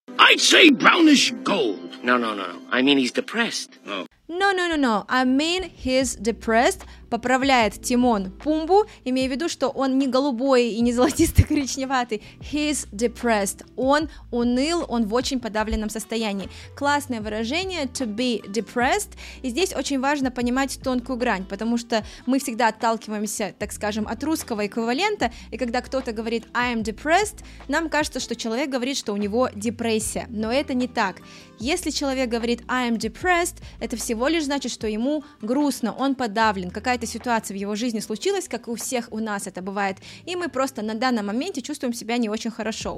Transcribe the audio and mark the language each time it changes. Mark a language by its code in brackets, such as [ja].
[en] I'd say brownish gold. No. I mean he's depressed. No. I mean he's depressed. [ru] Поправляет Тимон Пумбу, имея в виду, что он не голубой и не золотисто-коричневатый. [en] He's depressed. [ru] Он уныл, он в очень подавленном состоянии. Классное выражение [en] to be depressed. [ru] И здесь очень важно понимать тонкую грань, потому что мы всегда отталкиваемся, так скажем, от русского эквивалента, и когда кто-то говорит [en] I am depressed, [ru] нам кажется, что человек говорит, что у него депрессия. Но это не так. Если человек говорит [en] I am depressed, [ru] это всего лишь значит, что ему грустно, он подавлен, какая-то ситуация в его жизни случилась, как у всех у нас это бывает, и мы просто на данном моменте чувствуем себя не очень хорошо.